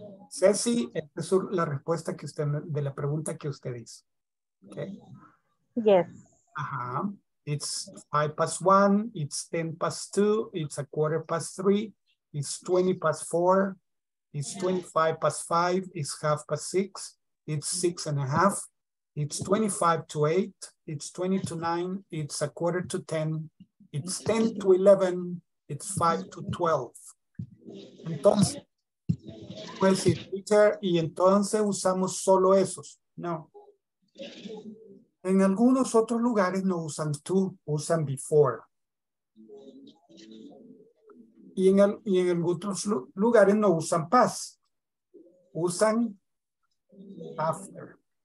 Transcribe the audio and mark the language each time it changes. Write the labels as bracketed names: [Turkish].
[Spanish] Ceci, esta es la respuesta que usted de la pregunta que usted hizo. Okay. Yes. Ajá. [English] It's 5:01, it's 10:02, it's 3:15, it's 4:20, it's 5:25, it's 6:30, it's 6 and a half, it's 25 to 8, it's 20 to 9, it's 9:45, it's 10 to 11, it's 5 to 12. [Spanish] Entonces, pues sí, teacher, y entonces usamos solo esos, ¿no? En algunos otros lugares no usan to, usan before. Y en otros lugares no usan past, usan after.